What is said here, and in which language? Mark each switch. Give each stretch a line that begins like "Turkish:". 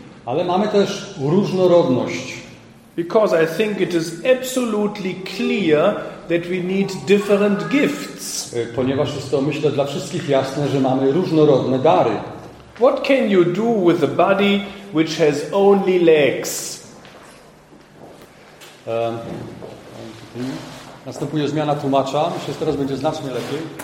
Polish: Ale mamy też różnorodność.
English: Because I think it is absolutely clear that we need different gifts.
Polish: Ponieważ jest to, myślę, dla wszystkich jasne, że mamy różnorodne dary.
English: What can you do with a body which has only legs?
Polish: Następuje zmiana tłumacza. Myślę, że teraz będzie znacznie lepiej.